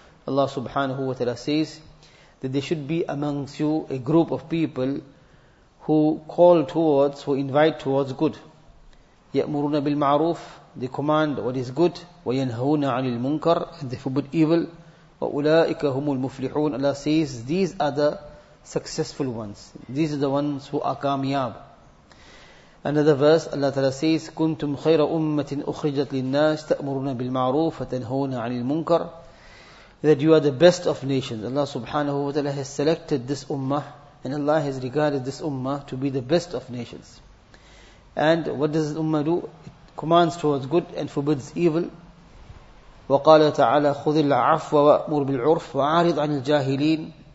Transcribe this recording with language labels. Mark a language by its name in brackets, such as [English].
[English] Allah subhanahu wa ta'ala says that there should be amongst you a group of people who call towards, who invite towards good. [Arabic] يَأْمُرُونَ بِالْمَعْرُوفِ, [English] they command what is good. [Arabic] وَيَنْهَوْنَ عَنِ الْمُنْكَرِ, [English] and they forbid evil. [Arabic] وَأُولَٰئِكَ هُمُ الْمُفْلِحُونَ. [English] Allah says these are the successful ones. These are the ones who are kamyab. Another verse, Allah Ta'ala says, [Arabic] كُنْتُمْ خَيْرَ أُمَّةٍ أُخْرِجَتْ لِلنَّاسِ تَأْمُرُونَ بِالْمَعْرُوفَ وَتَنْهَوْنَ عَنِ الْمُنْكَرِ. [English] That you are the best of nations. Allah subhanahu wa ta'ala has selected this ummah, and Allah has regarded this ummah to be the best of nations. And what does the ummah do? It commands towards good and forbids evil. [Arabic] وَقَالَ تَعَالَى خُذِ الْعَفْوَ وَأْمُرْ بِالْعُرْفِ وَعَارِضْ عَنِ الْجَاهِلِينَ.